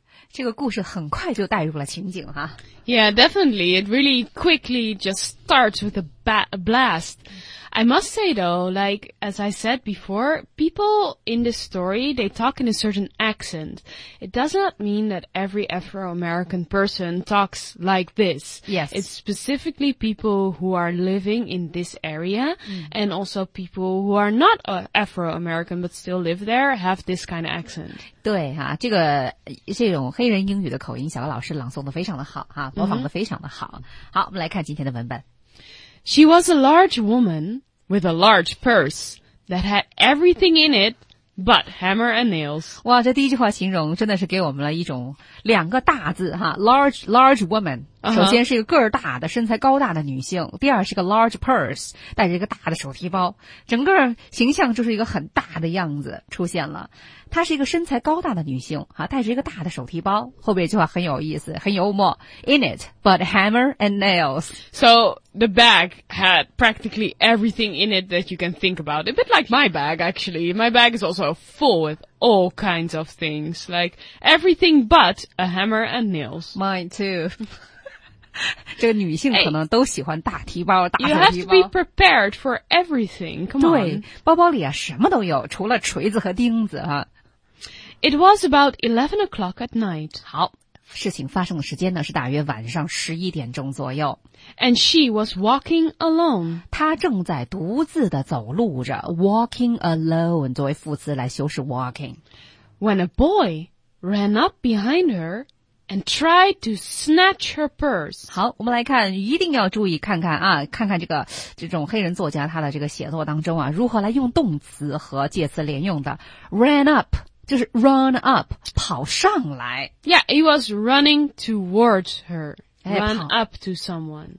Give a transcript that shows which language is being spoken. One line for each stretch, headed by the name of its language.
Chinese: 这个故事很快就带入了情景哈。
English: Yeah, definitely. It really quickly just starts with a blast. I must say, though, like, as I said before, people in this story, they talk in a certain accent. It does not mean that every Afro-American person talks like this. Yes. It's specifically people who are living in this area, and also people who are not Afro-American but still live there have this kind of accent.
Chinese: 对哈、啊、这个这种黑人英语的口音小高老师朗诵得非常的好哈、啊、模仿得非常的好。 Mm-hmm. 好我们来看今天的文本。
English: She was a large woman with a large purse that had everything in it but hammer and nails.
Chinese: 哇这第一句话形容真的是给我们了一种两个大字哈
English: large woman.
Chinese: 首先是一个个儿大的身材高大的女性、uh-huh. 第二是个
English: large purse,
Chinese: 带着一个大的手提包。整个形象就是一个很大的样子出现了。她是一个身材高大的女性哈带着一个大的手提包。后面一句话很有意思很幽默。
English: In it, but hammer and nails. So, the bag had practically everything in it that you can think about. A bit like my bag, actually. My bag is also full with all kinds of things. Like, everything but a hammer and nails. Mine too.
Chinese: 这个女性可能都喜欢大提包、hey, 大手提包。
English: You have to be prepared for everything, come on.
Chinese: 对包包里啊什么都有除了锤子和钉子啊。
English: It was about 11 o'clock at night.
Chinese: 好事情发生的时间呢是大约晚上11点钟左右。
English: And she was walking alone.
Chinese: 她正在独自的走路着 walking alone, 作为副词来修饰 walking.
English: When a boy ran up behind her,And tried to snatch her purse.
Chinese: 好我们来看一定要注意看看啊看看这个这种黑人作家他的这个写作当中啊如何来用动词和介词连用的。
English: Ran up,
Chinese: 就是
English: run up,
Chinese: 跑上来。
English: Yeah, he was running towards her. Run up to someone.